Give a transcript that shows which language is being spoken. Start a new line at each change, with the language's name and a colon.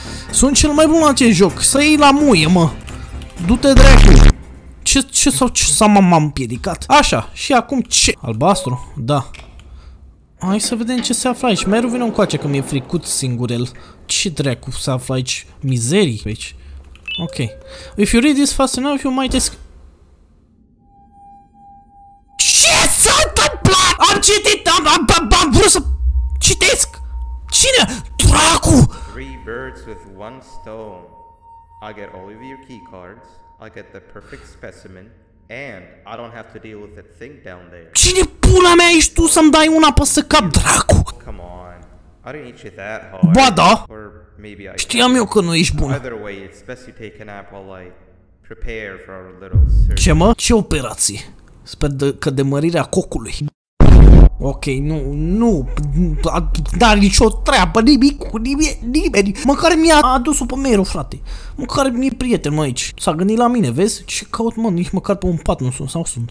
Romanian: Sunt cel mai bun la acest joc. Să iei la muie, mă. Du-te, dracu! Ce s-a împiedicat? Așa, și acum ce? Albastru? Da. Hai să vedem ce se află aici. Meru, vine încoace, că mi-e fricut singurel. Ce dracu se află aici? Mizerii aici. Ok.
English: If you read this fast enough, you might ask...
Romanian: Ce s-a întâmplat? Am citit, am vrut să citesc! Cine? Dracu!
English: Three birds with one stone. I get all of your key cards, I get the perfect specimen, and I don't have to deal with that thing down there.
Romanian: Cine pula mea ești tu să-mi dai una pe să cap, dracu?
English: Come on, I didn't hit you that hard.
Romanian: Ba da!
English: Or maybe I
Romanian: știam eu că nu ești bun.
English: Either way, it's best you take a nap while I prepare for our little surgery.
Romanian: Ce mă? Ce operație? Sper că demărirea cocului. Ok, nu, nu, dar nicio treabă, nimic cu nimeni. Măcar mi-a adus-o pe Meru, frate. Măcar mi-e prieten mă aici. S-a gândit la mine, vezi? Ce caut, mă, nici măcar pe un pat nu sunt, sau sunt.